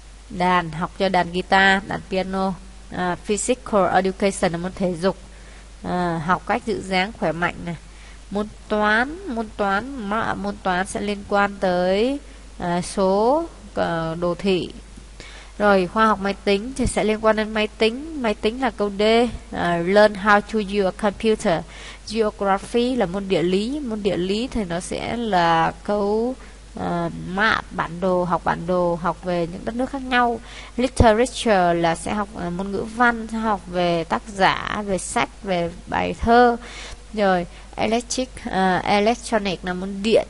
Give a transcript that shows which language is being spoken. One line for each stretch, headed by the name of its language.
Vietnamese: Đàn, học cho đàn guitar, đàn piano. Physical education là môn thể dục. Học cách giữ dáng khỏe mạnh này. Môn toán, môn toán sẽ liên quan tới số đồ thị. Rồi, khoa học máy tính thì sẽ liên quan đến máy tính. Máy tính là câu D.
English: Learn how to use a computer.
Vietnamese: Geography là môn địa lý. Môn địa lý thì nó sẽ là câu map, bản đồ, học bản đồ, học về những đất nước khác nhau. Literature là sẽ học môn ngữ văn, sẽ học về tác giả, về sách, về bài thơ. Rồi, electronic là môn điện.